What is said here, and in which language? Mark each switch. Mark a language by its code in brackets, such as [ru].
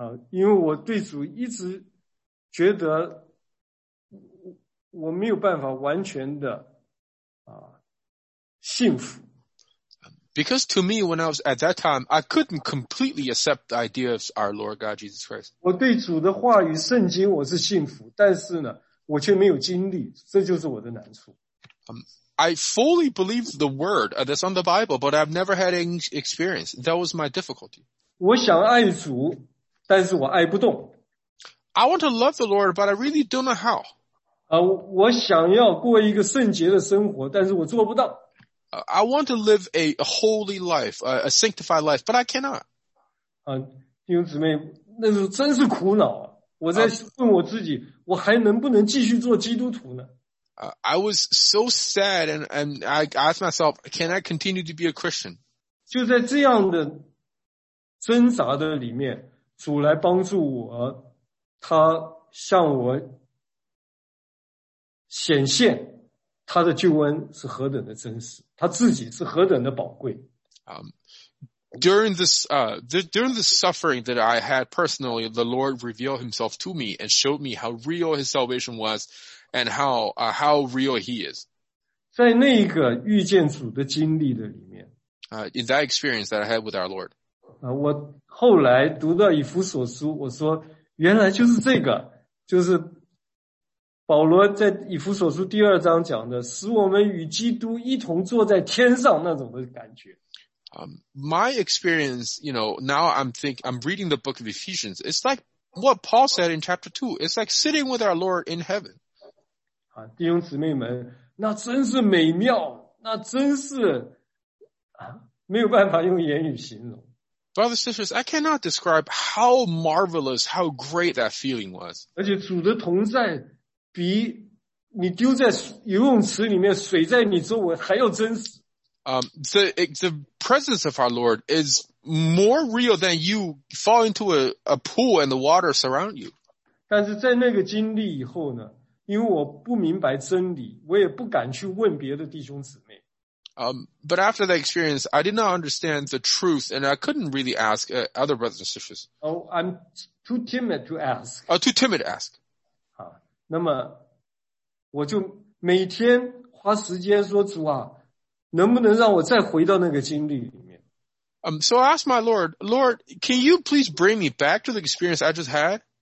[zh] 因为我对主一直觉得我没有办法完全的信服。 [en] Because to me, when I was at that time, I couldn't completely accept the idea of our Lord God Jesus Christ. [zh] 我对主的话语圣经我是信服，但是呢，我却没有经历，这就是我的难处。 [en] I fully believe the word that's on the Bible, but I've never had any experience. That was my difficulty. [zh] 我想爱主，但是我爱不动。 [en] I want to love the Lord, but I really don't know how. [zh] 我想要过一个圣洁的生活，但是我做不到。 [en] I want to live a holy life, a sanctified life, but I cannot. [zh] 弟兄姊妹，那是真是苦恼啊！我在问我自己，我还能不能继续做基督徒呢？ [en] I was so sad, and I asked myself, can I continue to be a Christian? [zh] 就在这样的挣扎的里面，主来帮助我，他向我显现他的救恩是何等的真实，他自己是何等的宝贵。 [en] During the suffering that I had personally, the Lord revealed himself to me and showed me how real his salvation was and how real he is. [zh] 在那个遇见主的经历的里面。 [en] In that experience that I had with our Lord. [zh] 我后来读到以弗所书，我说原来就是这个，就是保罗在以弗所书第二章讲的，使我们与基督一同坐在天上那种的感觉。 [en] My experience, you know, now I'm reading the book of Ephesians. It's like what Paul said in chapter 2. It's like sitting with our Lord in heaven. [zh] 弟兄姊妹们，那真是美妙，那真是没有办法用言语形容。 [en] Brothers and sisters, I cannot describe how marvelous, how great that feeling was. [zh] 而且主的同在比你丢在游泳池里面水在你周围还要真实。 [en] The presence of our Lord is more real than you fall into a pool and the water surround you. [zh] 但是在那个经历以后呢，因为我不明白真理，我也不敢去问别的弟兄姊妹。 [en] But after that experience, I did not understand the truth, and I couldn't really ask other brothers and sisters. Oh, I'm too timid to ask. Too timid to ask. [zh] 那么我就每天花时间说，主啊，能不能让我再回到那个经历里面。 [en] So I asked my Lord, Lord, can you please bring me back to the experience I just had?